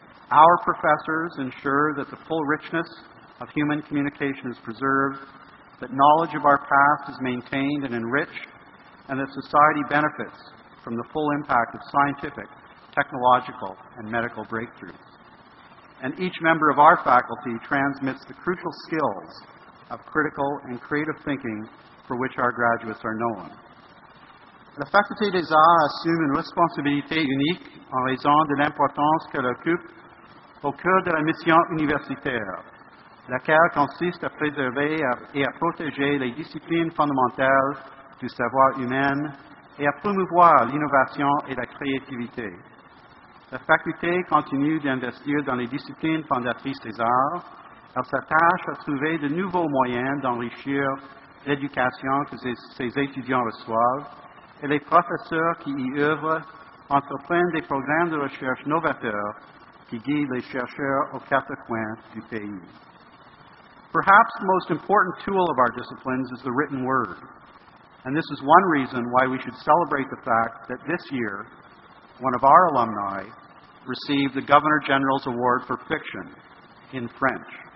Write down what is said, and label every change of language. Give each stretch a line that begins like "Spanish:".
English: Our professors ensure that the full richness of human communication is preserved, that knowledge of our past is maintained and enriched, and that society benefits from the full impact of scientific, technological, and medical breakthroughs. And each member of our faculty transmits the crucial skills of critical and creative thinking for which our graduates are known.
French: La faculté des arts assume une responsabilité unique en raison de l'importance qu'elle occupe au cœur de la mission universitaire, laquelle consiste à préserver et à protéger les disciplines fondamentales du savoir humain et à promouvoir l'innovation et la créativité. La faculté continue d'investir dans les disciplines fondatrices des arts. Elle s'attache à trouver de nouveaux moyens d'enrichir l'éducation que ses étudiants reçoivent, et les professeurs qui y œuvrent entreprennent des programmes de recherche novateurs qui guident les chercheurs aux quatre coins du pays.
English: Perhaps the most important tool of our disciplines is the written word, and this is one reason why we should celebrate the fact that this year, one of our alumni received the Governor General's Award for Fiction in French.